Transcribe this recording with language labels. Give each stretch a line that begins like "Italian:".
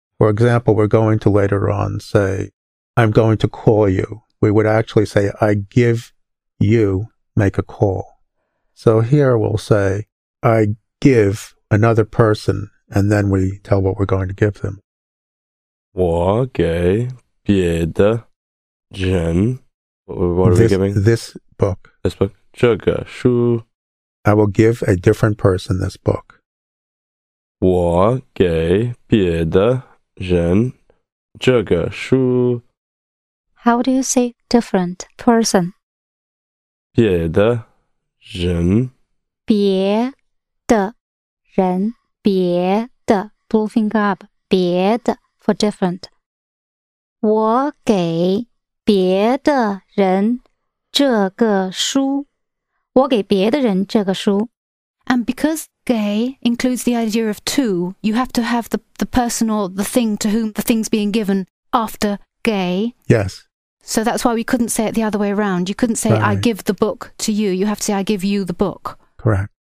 English: For example, we're going to later on say, I'm going to call you. We would actually say, I give you make a call. So here we'll say, I give another person, and then we tell what we're going to give them.
Chinese: 我给别的人
English: What are this, we giving? This book. This book.
Chinese: 这个书
English: I will give a different person this book.
Chinese: 我给别的人这个书
English: How do you say different person?
Chinese: 别的人别的人别的
English: blue finger up
Chinese: 别的 for different 我给别的人这个书我给别的人这个书
English: And because 给 includes the idea of to, you have to have the person or the thing to whom the thing's being given after 给 Yes. So that's why we couldn't say it the other way around. You couldn't say, right. I give the book to you. You have to say, I give you the book. Correct.